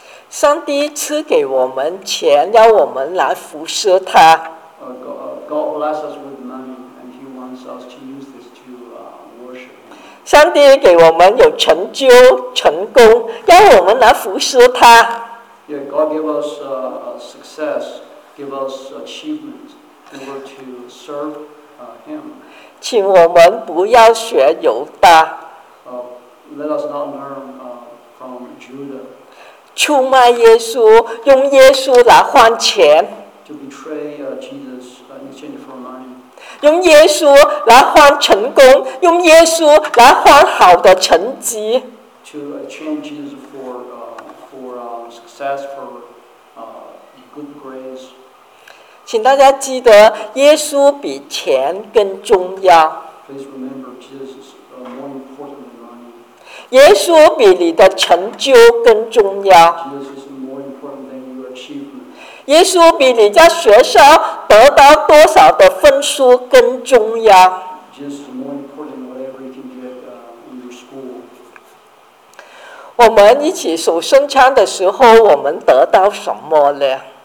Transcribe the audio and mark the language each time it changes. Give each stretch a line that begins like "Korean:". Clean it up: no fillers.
Chinese: 上帝赐给我们钱，要我们来服侍他。
English: God bless us with money, and he wants us to use this to worship.
Chinese: 上帝给我们有成就、成功，要我们来服侍他。
English: Yeah, God give us success, give us achievement, in order to serve.
Chinese: 请我们不要学犹大。
English: Let us not learn from Judah.
Chinese: 出卖耶稣，用耶稣来换钱。
English: To betray Jesus in exchange for money.
Chinese: 用耶稣来换成功，用耶稣来换好的成绩。
English: To exchange Jesus for success, for good grades.
Chinese: 请大家记得，耶稣比钱更重要。
English: Please remember, Jesus is more important than money.
Chinese: 耶稣比你的成就更重要。
English: Jesus is more important than your achievement.
Chinese: 耶稣比你在学校得到多少的分数更重要。
English: Jesus is more important than whatever you can get in your school.
Chinese: 我们一起守圣餐的时候，我们得到什么呢？